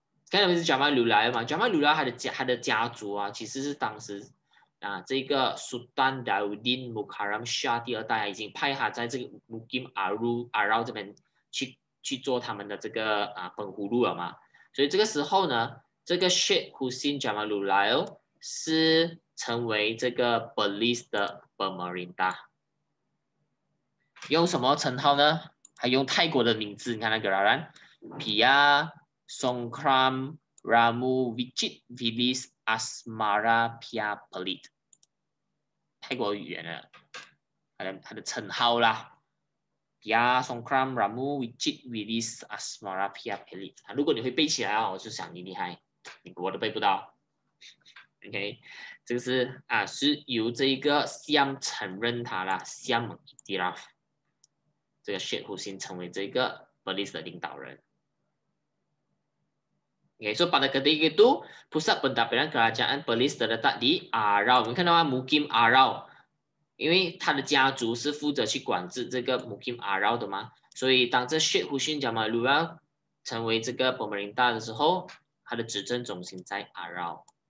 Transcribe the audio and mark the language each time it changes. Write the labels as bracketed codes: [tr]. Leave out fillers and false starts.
[zh] 看到没有 Jamalulloh 吗？Jamalulloh 他的家族啊，其实是当时啊，这个 Sultan Daudin Mukarram Shah 第二代已经派他在这个 Mukim Arau 这边去做他们的这个啊本葫芦了嘛。所以这个时候呢，这个 Sheikh Hussein Jamalulloh 是成为这个 Belize 的 Pemerintah， 用什么称号呢？还用泰国的名字，你看那个啦 ，Pia Songkram Ramu Vijit Vilis Asmara Pia Pelit， 泰国语言的，他的称号啦 ，Pia Songkram Ramu Vijit Vilis Asmara Pia Pelit。如果你会背起来啊，我就想你厉害，你我都背不到。 OK， 这个是啊，是由这个 Siam 承认他啦 ，Siam Iktiraf。这个 Sheikh Hussein 成为这个 Belize 的领导人。 [ms] OK， so pada ketika itu pusat pendapatan kerajaan Belize terletak di Arau。 [zh] 你们看到吗 ？Mukim Arau， 因为他的家族是负责去管制这个 Mukim Arau 的嘛，所以当这 Sheikh Hussein Jamalulloh 成为这个 pemerintah 的时候，他的执政中心在 Arau。